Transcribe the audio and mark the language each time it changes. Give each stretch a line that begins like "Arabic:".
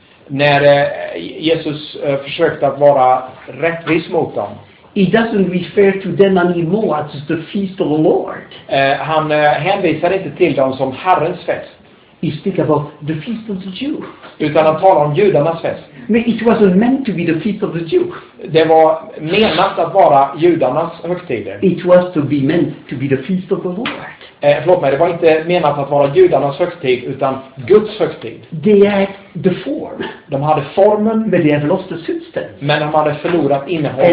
Swedish: När Jesus försökte att vara rättvis mot dem.
English: He doesn't refer to them anymore as the feast of the Lord.
Swedish: Han hänvisar inte till dem som Herrens fest.
English: He speak about the feast of the Jew.
Swedish: Utan han talar om judarnas fest.
English: But it wasn't meant to be the feast of the Jew.
Swedish: Det var menat att vara judarnas högtider.
English: It was to be meant to be the feast of the Lord.
Swedish: Förlåt mig, det var inte menat att vara judarnas högtid, utan Guds högtid.
English: They had the form.
Swedish: De hade formen.
English: But they have lost the substance.
Swedish: Men de hade förlorat innehållet.